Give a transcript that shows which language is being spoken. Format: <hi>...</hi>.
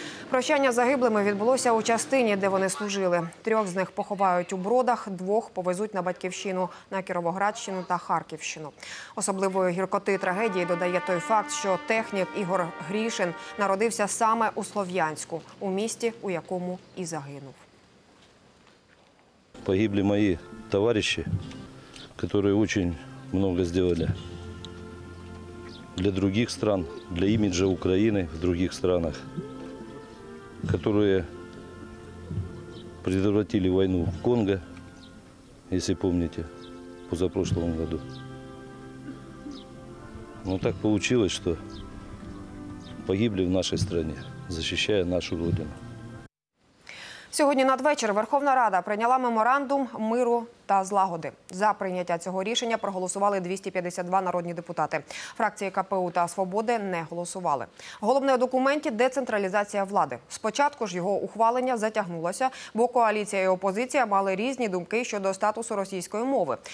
<uk>Прощання з загиблими відбулося у частині, де вони служили. 3 з них поховають у Бродах, 2 повезуть на батьківщину – на Кіровоградщину та Харківщину. Особливої гіркоти трагедії додає той факт, що технік Ігор Грішин народився саме у Слов'янську, у місті, у якому і загинув.</uk> <ru>Погибли</ru> <uk>мої товариші, які дуже</uk> <ru>много сделали для других стран, для имиджа Украины в других странах, которые предотвратили войну в Конго, если помните, позапрошлом году. Но так получилось, что погибли в нашей стране, защищая нашу Родину.</ru> <uk>Сьогодні надвечір Верховна Рада прийняла меморандум миру та злагоди. За прийняття цього рішення проголосували 252 народні депутати. Фракції КПУ та «Свободи» не голосували. Головне у документі – децентралізація влади. Спочатку ж його ухвалення затягнулося, бо коаліція і опозиція мали різні думки щодо статусу російської мови.</uk>